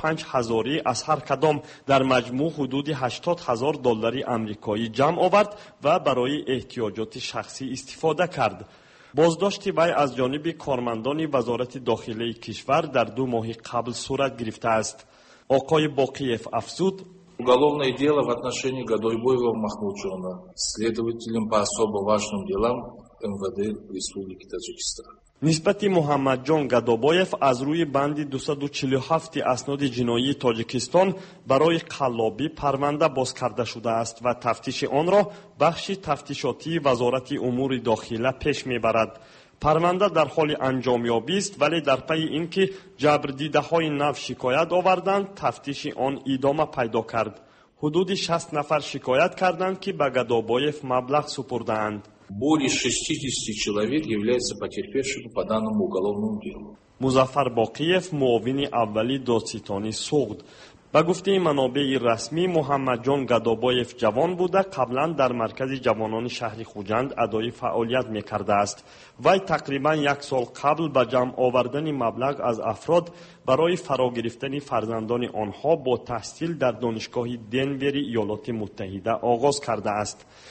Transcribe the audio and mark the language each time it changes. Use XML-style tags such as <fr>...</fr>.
<fa>هزاری از هر کدام در مجموع حدود 80 هزار دلاری امریکایی جمع آورد و برای احتیاجات شخصی استفاده کرد. بازداشت وی از جانب کارمندان وزارت داخلی کشور در دو ماه قبل صورت گرفته است. آقای باقیف افزود</fa> <ru>Уголовное дело в отношении Гадойбоева Махмуд Джона, следователем по особо важным делам МВД Республики Таджикистан.</ru> <fa>نسبت محمد جان گدابایف از روی بندی 247 اسناد جنایی تاجیکستان برای قلابی پرونده باز کرده شده است و تفتیش آن را بخش تفتیشاتی وزارت امور داخله پیش می برد. پرونده در حال انجام یابی است، ولی در پی اینکه جبر دیده های نو شکایت آوردند تفتیش آن ادامه پیدا کرد. حدود 60 نفر شکایت کردند که به گدابایف مبلغ سپردند.</fa> <ru>Более 60 человек являются потерпевшими по данному уголовному делу.</ru> <tg>Музафар Бакиев, муовини аввали доцитони Суғд. Ба гуфтаи манобеи расмӣ, Муҳаммадҷон Гадобоев ҷавон буда, қаблан дар маркази ҷавонони шаҳри Хуҷанд адои фаъолият мекардааст. Вай тақрибан як сол қабл ба ҷамъовардани маблағ аз афрод барои фарогирифтани фарзандони онҳо бо таҳсил дар донишгоҳи Денвери, Иёлоти Муттаҳида оғоз кардааст.</tg>